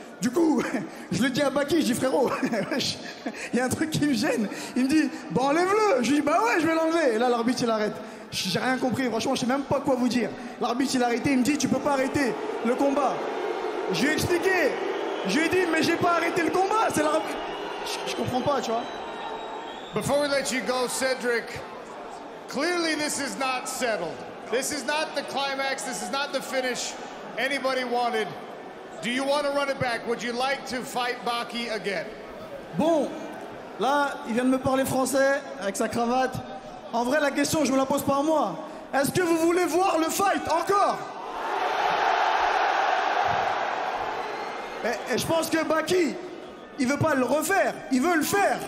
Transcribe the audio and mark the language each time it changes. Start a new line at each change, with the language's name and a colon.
French: Du coup, je le dis à Baki, je dis frérot, il y a un truc qui me gêne. Il me dit, bah enlève-le. Je dis, bah ouais, je vais l'enlever. Et là, l'arbitre, il arrête. J'ai rien compris, franchement, je sais même pas quoi vous dire. L'arbitre, il a arrêté, il me dit, tu peux pas arrêter le combat. Je lui ai expliqué. Je lui ai dit, mais j'ai pas arrêté le combat. C'est l'arbitre. Je comprends pas, tu vois.
English: Before we let you go, Cedric, clearly this is not settled. This is not the climax, this is not the finish anybody wanted. Do you want to run it back? Would you like to fight Baki again?
French: Bon, là, il vient de me parler français avec sa cravate. En vrai, la question, je me la pose pas à moi. Est-ce que vous voulez voir le fight encore? Et je pense que Baki, il veut pas le refaire, il veut le faire.